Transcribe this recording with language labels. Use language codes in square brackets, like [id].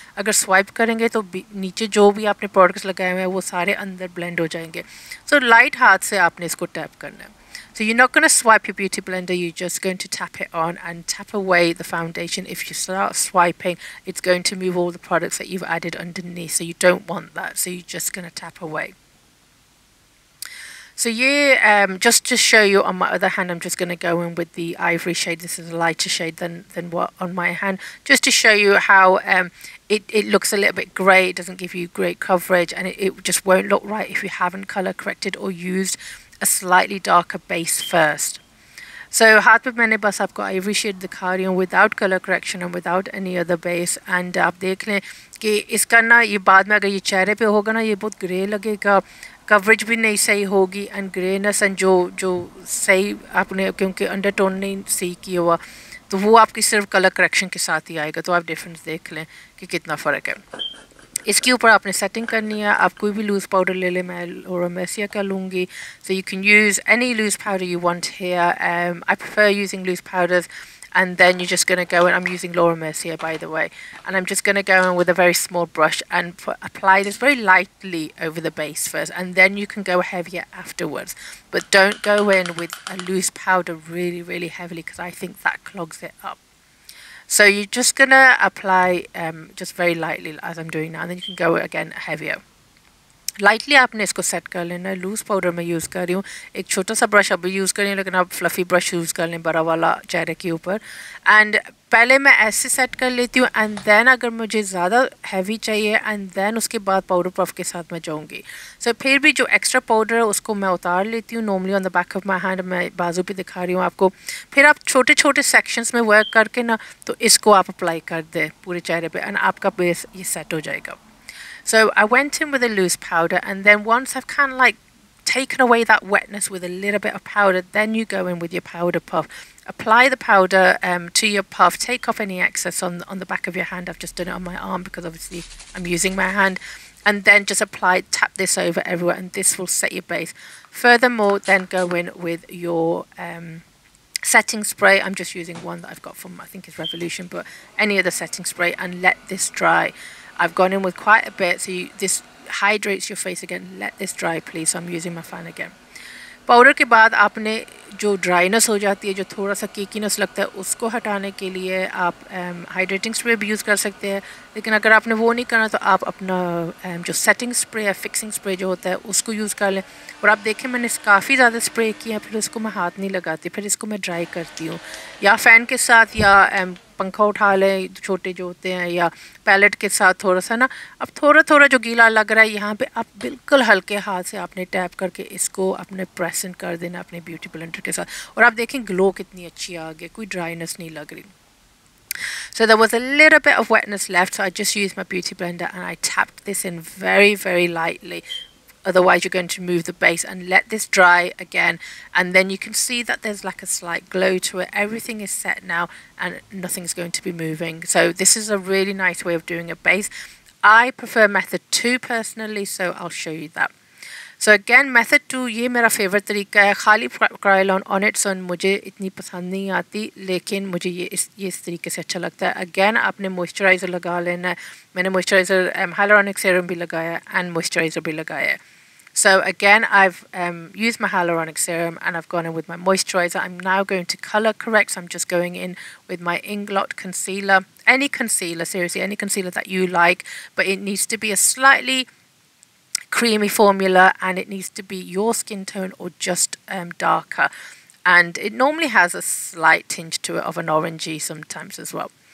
[hi] अगर स्वाइप करेंगे तो नीचे जो भी आपने प्रोडक्ट्स लगाए हुए हैं वो सारे अंदर ब्लेंड हो जाएंगे। सो लाइट हाथ से आपने इसको टैप करना है। [en] So you not gonna swipe your beauty blender, you just going to tap it on and tap away the foundation. If you start swiping it's going to move all the products that you have added underneath, so you don't want that, so you just gonna tap away. So just to show you on my other hand, I'm just going to go in with the ivory shade. This is a lighter shade than what on my hand, just to show you how it looks a little bit grey. It doesn't give you great coverage and it just won't look right if you haven't color corrected or used a slightly darker base first. [hi] So हाथ पे मैंने बस आपको Ivory shade दिखा रही हूँ [en] Without colour correction and without any other base. [hi] And आप देख लें कि इसका ना ये बाद में अगर ये चेहरे पे होगा ना ये बहुत ग्रे लगेगा, कवरेज भी नहीं सही होगी एंड ग्रेनेस एंड जो सही आपने क्योंकि अंडरटोन नहीं सही किया हुआ तो वो आपकी सिर्फ कलर करेक्शन के साथ ही आएगा। तो आप डिफरेंस देख लें कि कितना फ़र्क है। इसके ऊपर आपने सेटिंग करनी है, आप कोई भी लूज पाउडर ले लें, मैं लोरा मेसिया का लूँगी। [en] So you can use any loose powder you want here, I prefer using loose powders and then you just gonna go in, I am using Laura Mercier by the way and I am just gonna go in with a very small brush and apply this very lightly over the base first and then you can go heavier afterwards, but don't go in with a loose powder really really heavily because I think that clogs it up. So you're just gonna apply just very lightly as I'm doing now, and then you can go again heavier. [hi] Lightly आपने इसको set कर लेना है। Loose powder मैं use कर रही हूँ, एक छोटा सा ब्रश अभी यूज़ कर रही हूँ, लेकिन आप फ्लफी ब्रश यूज़ कर लें बड़ा वाला चेहरे के ऊपर। एंड पहले मैं ऐसे सेट कर लेती हूँ एंड देन अगर मुझे ज़्यादा हैवी चाहिए एंड देन उसके बाद पाउडर पफ के साथ मैं जाऊँगी। सो फिर भी जो एक्स्ट्रा पाउडर है उसको मैं उतार लेती हूँ normally [en] on the back of my hand, [hi] मैं बाजू पर दिखा रही हूँ आपको। फिर आप छोटे छोटे सेक्शंस में वर्क करके ना तो इसको आप अप्लाई कर दें पूरे चेहरे पर एंड आपका बेस ये सेट हो जाएगा। [en] So I went in with a loose powder and then once I've kind of like taken away that wetness with a little bit of powder, then you go in with your powder puff. Apply the powder to your puff, take off any excess on the back of your hand. I've just done it on my arm because obviously I'm using my hand. And then just apply, tap this over everywhere and this will set your base. Furthermore, then go in with your setting spray. I'm just using one that I've got from, I think it's Revolution, but any other setting spray and let this dry. I've gone in with quite a bit, so this hydrates your face again. Let this dry, please. So I'm using my fan again. [hi] Powder के बाद आपने जो dryness हो जाती है, जो थोड़ा सा cakiness लगता है, उसको हटाने के लिए आप hydrating spray भी use कर सकते हैं। लेकिन अगर आपने वो नहीं करना तो आप अपना जो setting spray या fixing spray जो होता है उसको use कर लें। और आप देखें मैंने काफ़ी ज़्यादा spray किया, फिर इसको मैं हाथ नहीं लगाती, फिर इसको मैं dry करती हूँ या fan के साथ या पंखा उठा ले छोटे जो होते हैं या पैलेट के साथ थोड़ा सा ना, अब थोड़ा थोड़ा जो गीला लग रहा है यहाँ पे आप बिल्कुल हल्के हाथ से आपने टैप करके इसको अपने प्रेस इन कर देना अपने ब्यूटी ब्लेंडर के साथ, और आप देखें ग्लो कितनी अच्छी आ गई, कोई ड्राइनेस नहीं लग रही. [en] So there was a little bit of wetness left, so I just used my beauty blender and I tapped this in very, very lightly. Otherwise, you're going to move the base and let this dry again. And then you can see that there's like a slight glow to it. Everything is set now and nothing's going to be moving. So this is a really nice way of doing a base. I prefer method two personally, so I'll show you that. [hi] So again, method two, ये मेरा favorite तरीका है. खाली Kryolan [en] on its own [hi] मुझे इतनी पसंद नहीं आती, लेकिन मुझे ये इस तरीके से अच्छा लगता है. Again, आपने moisturizer लगा लेना है. मैंने moisturizer hyaluronic serum भी लगाया and moisturizer भी लगाया. [en] So again, I've used my hyaluronic serum and I've gone in with my moisturizer. I'm now going to color correct. So I'm just going in with my Inglot concealer. Any concealer, seriously, any concealer that you like, but it needs to be a slightly creamy formula and it needs to be your skin tone or just darker, and it normally has a slight tinge to it of an orangey sometimes as well.